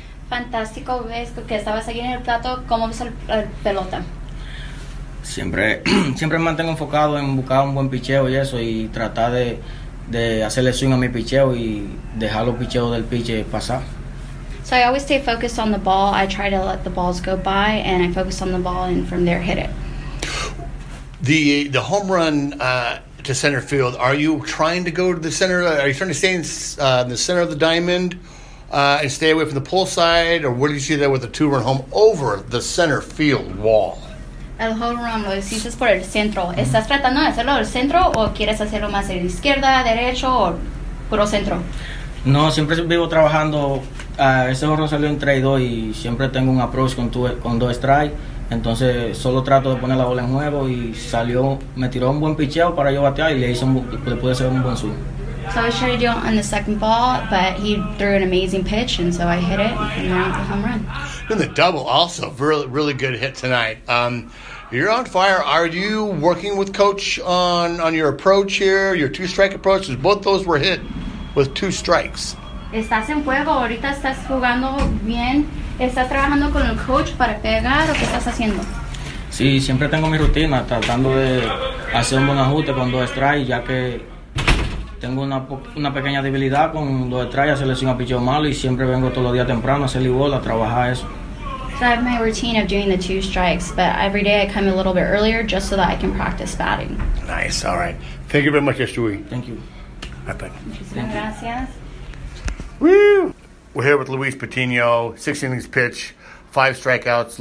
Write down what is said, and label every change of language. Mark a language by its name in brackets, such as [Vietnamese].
[Spanish] Fantástico, ves, porque estabas aquí en el plato. ¿Cómo ves la pelota? Siempre me mantengo enfocado en buscar un buen picheo y eso, y tratar de hacerle swing a mi picheo y dejar los picheos del piche pasar. [English] So I always stay focused on the ball. I try to let the balls go by, and I focus on the ball and from there hit it. The home run to center field, are you trying to go to the center? Are you trying to stay in the center of the diamond and stay away from the pull side? Or where do you see that with a two-run home over the center field wall? [Spanish] El home run lo decís por el centro. ¿Estás tratando de hacerlo del centro o quieres hacerlo más de izquierda, derecho o puro centro? No, siempre vivo trabajando. Ese horror salió en 3-2 y siempre tengo un approach con dos strikes. Entonces, solo trato de poner la bola en juego y salió, me tiró un buen picheo para yo batear y le pude hacer un buen swing. [English] So I was trying to do it on the second ball, but he threw an amazing pitch, and so I hit it, and now it's a home run. And the double also, really, really good hit tonight. You're on fire. Are you working with Coach on your approach here, your two-strike approach? Because both those were hit with two strikes. [Spanish] ¿Estás en juego? ¿Ahorita estás jugando bien? ¿Estás trabajando con el coach para pegar o qué estás haciendo? Sí, siempre tengo mi rutina, tratando de hacer un buen ajuste con dos strikes, ya que... Tengo una pequeña debilidad con dos estrellas, se le hace un picheo malo y siempre vengo todos los días temprano a hacerle bola, a trabajar eso. [English] So I have my routine of doing the two strikes, but every day I come a little bit earlier just so that I can practice batting. Nice, all right. Thank you very much, Estuary. Thank you. [Spanish] Gracias. Woo! [English] We're here with Luis Patino, six innings pitch, five strikeouts.